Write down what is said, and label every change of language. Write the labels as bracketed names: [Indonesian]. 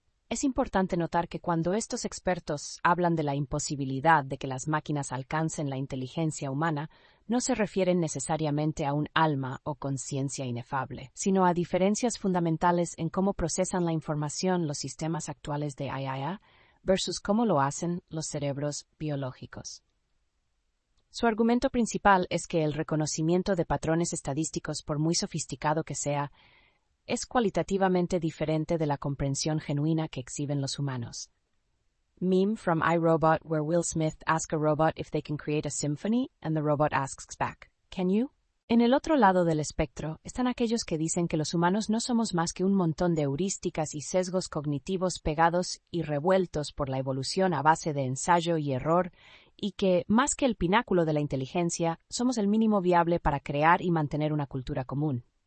[Spanish] Es importante notar que cuando estos expertos hablan de la imposibilidad de que las máquinas alcancen la inteligencia humana, no se refieren necesariamente a un alma o conciencia inefable, sino a diferencias fundamentales en cómo procesan la información los sistemas actuales de IA versus cómo lo hacen los cerebros biológicos. Su argumento principal es que el reconocimiento de patrones estadísticos, por muy sofisticado que sea, es cualitativamente diferente de la comprensión genuina que exhiben los humanos. [English] Meme from iRobot where Will Smith asks a robot if they can create a symphony and the robot asks back, "Can you?" [Spanish] En el otro lado del espectro están aquellos que dicen que los humanos no somos más que un montón de heurísticas y sesgos cognitivos pegados y revueltos por la evolución a base de ensayo y error, y que, más que el pináculo de la inteligencia, somos el mínimo viable para crear y mantener una cultura común.